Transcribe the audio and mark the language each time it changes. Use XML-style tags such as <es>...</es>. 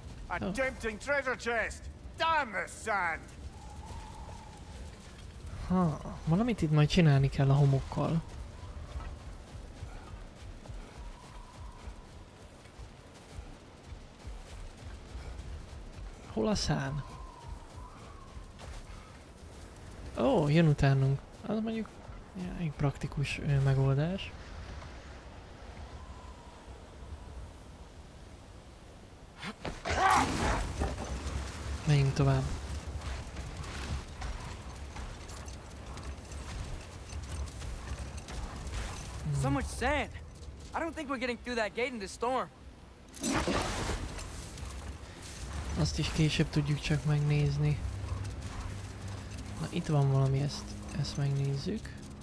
<en>A tempting treasure chest. Damn the sand.</en> <hu>Ha, valamit itt majd csinálni kell a homokkal. Hol a szán? Ó, jön utánunk. Az mondjuk egy praktikus megoldás. Menjünk tovább.</hu> <en>So much sand. I don't think we're getting through that gate in this storm.</en> <hu>Azt is később tudjuk csak megnézni. Na itt van valami, ezt megnézzük.</hu>